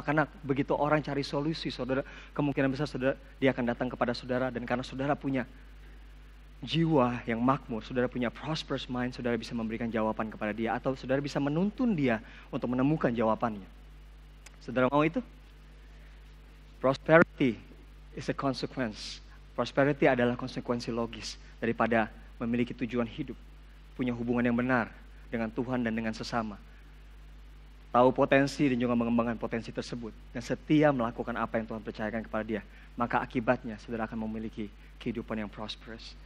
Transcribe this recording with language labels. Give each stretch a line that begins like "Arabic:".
Indonesian: Karena begitu orang cari solusi, saudara, kemungkinan besar saudara, dia akan datang kepada saudara. Dan karena saudara punya jiwa yang makmur, saudara punya
English: prosperous mind,
Indonesian: saudara bisa memberikan jawaban kepada dia, atau saudara bisa menuntun dia untuk menemukan jawabannya. Saudara mau itu?
English: Prosperity is a consequence.
Indonesian: Prosperity adalah konsekuensi logis daripada memiliki tujuan hidup, punya hubungan yang benar dengan Tuhan dan dengan sesama. Tahu potensi dan juga mengembangkan potensi tersebut, dan setia melakukan apa yang Tuhan percayakan kepada dia, maka akibatnya saudara akan memiliki kehidupan yang prosperous.